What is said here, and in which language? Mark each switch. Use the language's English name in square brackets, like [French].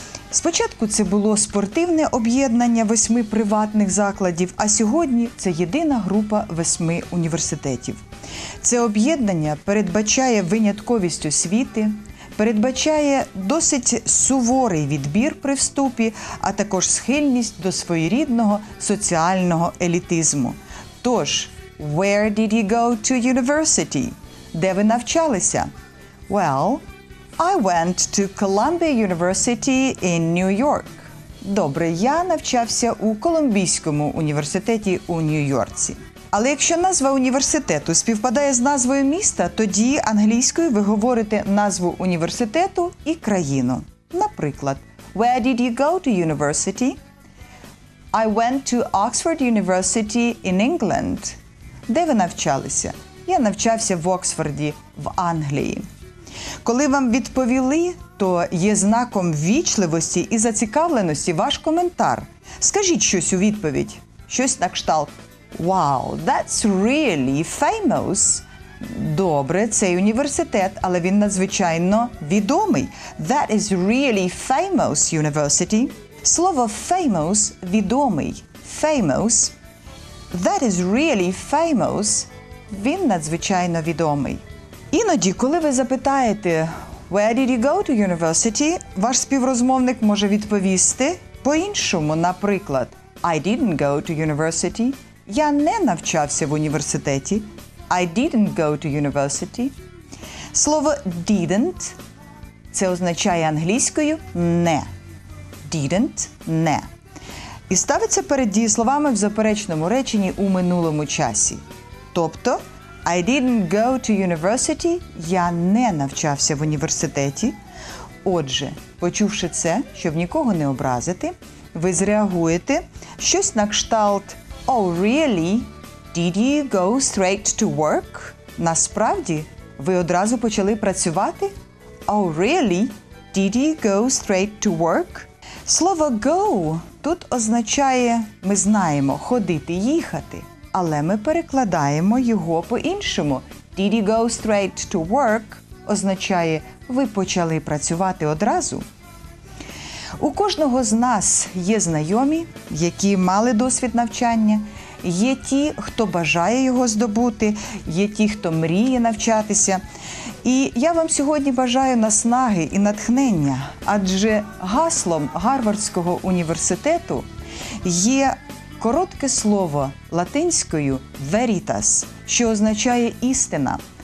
[Ukrainian] Спочатку це було спортивне об'єднання 8 приватних закладів, а сьогодні це єдина група 8 університетів. Це об'єднання передбачає винятковість освіти, передбачає досить суворий відбір при вступі, а також схильність до своєрідного соціального елітизму. Тож, [English] where did you go to university? [Ukrainian] Де ви навчалися? [English] Well, I went to Columbia University in New York. [Ukrainian] Добре, я навчався у Колумбійському університеті у Нью-Йорці. Але якщо назва університету співпадає з назвою міста, тоді англійською ви говорите назву університету і країну. [English] Наприклад, where did you go to university? I went to Oxford University in England. [Ukrainian] Де ви навчалися? Я навчався в Оксфорді, в Англії. Коли вам відповіли, то є знаком ввічливості і зацікавленості ваш коментар. Скажіть щось у відповідь. Щось на кшталт [English] «Wow, that's really famous». [Ukrainian] Добре, цей університет, але він надзвичайно відомий. [English] «That is really famous university». [Ukrainian] Слово «famous» – відомий. [English] «Famous». «That is really famous». [Ukrainian] Він надзвичайно відомий. Іноді, коли ви запитаєте [English] «Where did you go to university?», [Ukrainian] ваш співрозмовник може відповісти по-іншому, наприклад [English] «I didn't go to university». [Ukrainian] «Я не навчався в університеті». [English] «I didn't go to university». [Ukrainian] Слово «didn't» – це означає англійською «не». «Didn't» – «не». І ставиться перед дієсловами в заперечному реченні у минулому часі. Тобто [English] I didn't go to university. [Ukrainian] Я не навчався в університеті. Отже, почувши це, щоб нікого не образити, ви зреагуєте щось на кшталт [English] Oh, really? Did you go straight to work? [Ukrainian] Насправді, ви одразу почали працювати? [English] Oh, really? Did you go straight to work? [Ukrainian] Слово go тут означає, ми знаємо, ходити, їхати. Але ми перекладаємо його по-іншому. [English] Did you go straight to work? [Ukrainian] Означає, ви почали працювати одразу. У кожного з нас є знайомі, які мали досвід навчання, є ті, хто бажає його здобути, є ті, хто мріє навчатися. І я вам сьогодні бажаю наснаги і натхнення, адже гаслом Гарвардського університету є коротке слово латинською «veritas», що означає «істина».